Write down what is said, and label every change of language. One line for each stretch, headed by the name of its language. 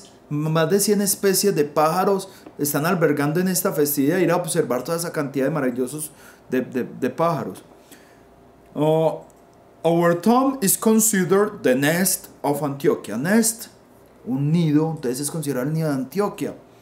Spanish: Más de 100 especies de pájaros están albergando en esta festividad. Ir a observar toda esa cantidad de maravillosos de pájaros.
English: Our town is considered the nest of Antioquia.
Spanish: Nest, un nido, entonces es considerado el nido de Antioquia.